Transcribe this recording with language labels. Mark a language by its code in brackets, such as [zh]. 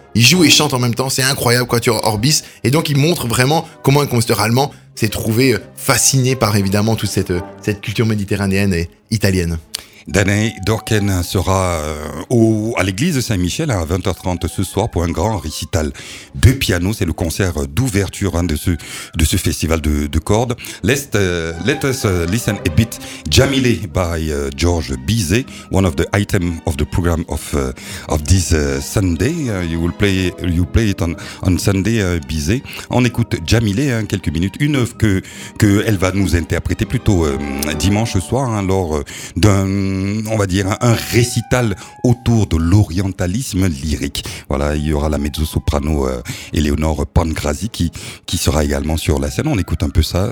[fr] Il joue et chante en même temps, c'est incroyable, quatuor Orbis. Et donc, il montre vraiment comment un compositeur allemand s'est trouvé fasciné par, évidemment, toute cette culture méditerranéenne et italienne. Danae Dorken sera à l'église de Saint-Michel à 20h30 ce soir pour un grand récital de piano. C'est le concert d'ouverture de ce festival de cordes. [en] Let us listen a bit Jamile by George Bizet, one of the items of the program of this Sunday. You play it on Sunday, Bizet. [fr] On écoute Jamile, hein, quelques minutes, une œuvre que elle va nous interpréter plutôt dimanche soir, hein, lors d'un, on va dire, un récital autour de l'orientalisme lyrique. Voilà, il y aura la mezzo-soprano Eleonore Pangrazi qui sera également sur la scène. On écoute un peu ça.